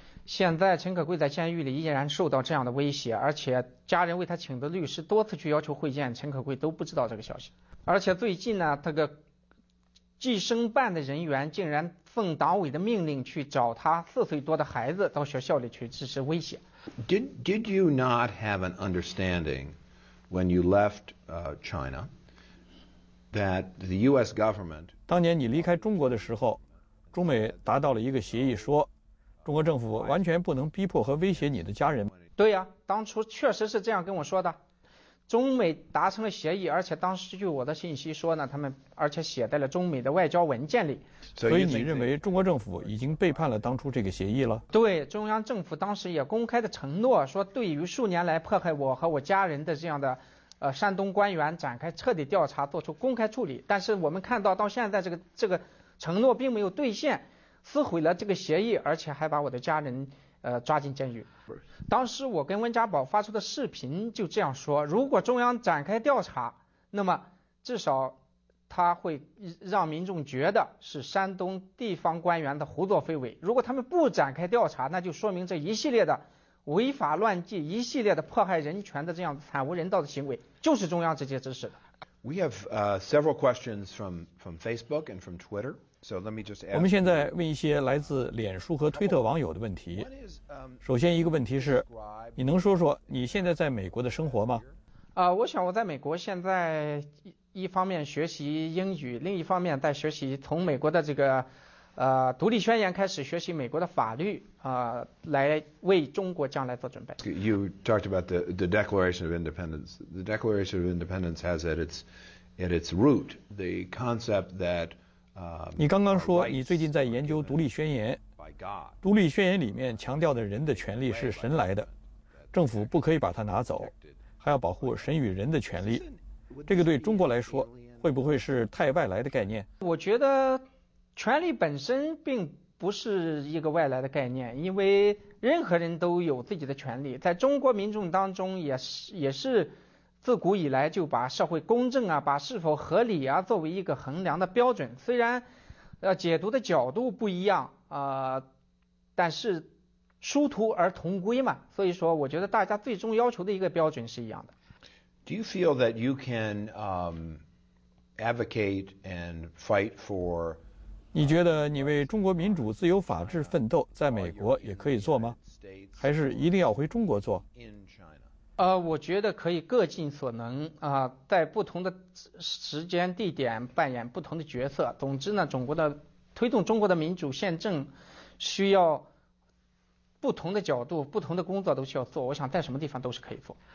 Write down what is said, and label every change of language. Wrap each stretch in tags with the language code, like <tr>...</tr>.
<zh>现在陈可贵在监狱里依然受到这样的威胁，而且家人为他请的律师多次去要求会见陈可贵，都不知道这个消息。而且最近呢，这个计生办的人员竟然奉党委的命令去找他4岁多的孩子到学校里去实施威胁。</zh> <en>Did you not have an understanding when you left China that the U.S. government</en> <zh>当年你离开中国的时候，中美达到了一个协议，说中国政府完全不能逼迫和威胁你的家人。对呀，当初确实是这样跟我说的。中美达成了协议，而且当时据我的信息说呢，他们而且写在了中美的外交文件里。所以你认为中国政府已经背叛了当初这个协议了？对，中央政府当时也公开的承诺说，对于数年来迫害我和我家人的这样的山东官员展开彻底调查，做出公开处理。但是我们看到到现在这个承诺并没有兑现，撕毁了这个协议，而且还把我的家人抓进监狱。当时我跟温家宝发出的视频就这样说，如果中央展开调查，那么至少他会让民众觉得是山东地方官员的胡作非为，如果他们不展开调查，那就说明这一系列的违法乱纪、一系列的迫害人权的这样惨无人道的行为就是中央直接指使的。</zh> <en>We have several questions from Facebook and from Twitter. So、let me just ask</en> <zh>我们现在问一些来自脸书和推特网友的问题。首先一个问题是，你能说说你现在在美国的生活吗？我想我在美国现在一方面学习英语，另一方面在学习从美国的这个独立宣言开始学习美国的法律来为中国将来做准备。</zh> <en>You talked about the Declaration of Independence. The Declaration of Independence has at its root the concept that</en> <zh>你刚刚说你最近在研究独立宣言，独立宣言里面强调的人的权利是神来的，政府不可以把它拿走，还要保护神与人的权利，这个对中国来说会不会是太外来的概念？我觉得权利本身并不是一个外来的概念，因为任何人都有自己的权利，在中国民众当中也是自古以来就把社会公正啊，把是否合理啊作为一个衡量的标准，虽然解读的角度不一样但是殊途而同归嘛，所以说我觉得大家最终要求的一个标准是一样的。</zh> <en>Do you feel that you can advocate and fight for</en> <zh>你觉得你为中国民主自由法治奋斗在美国也可以做吗？还是一定要回中国做？我觉得可以各尽所能啊，在不同的时间地点扮演不同的角色。总之呢，中国的推动中国的民主宪政需要不同的角度，不同的工作都需要做，我想在什么地方都是可以做。</zh>